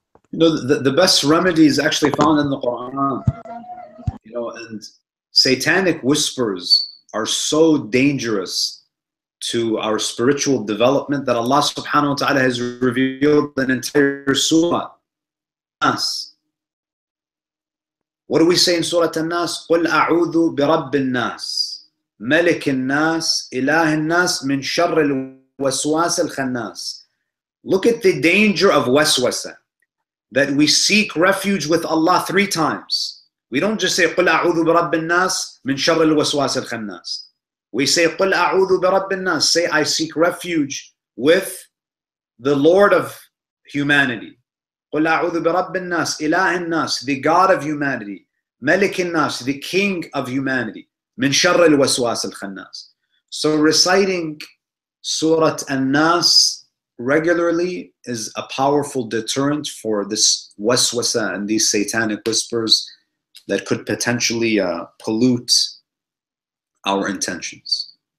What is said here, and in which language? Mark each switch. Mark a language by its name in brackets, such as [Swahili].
[English] You know, the best remedy is actually found in the Quran. You know, and satanic whispers are so dangerous to our spiritual development that Allah subhanahu wa ta'ala has revealed an entire surah to us. What do we say in Surah An'aam? [Arabic] قُلْ أَعُوذُ بِرَبِّ النَّاسِ ملك الناس إله الناس من شر الوسواس الخناس. [English] Look at the danger of waswasa, that we seek refuge with Allah 3 times. We don't just say [Arabic] قل أعوذ برب الناس من شر الوسواس الخناس. [English] We say [Arabic] قل أعوذ برب الناس, [English] say I seek refuge with the Lord of humanity. [Arabic] قل أعوذ برب الناس إله الناس, [English] the God of humanity. [Arabic] ملك الناس, [English] the King of humanity. [Arabic] من شر الوسواس الخناس. [English] So reciting Surah An-Nas regularly is a powerful deterrent for this waswasa and these satanic whispers that could potentially pollute our intentions.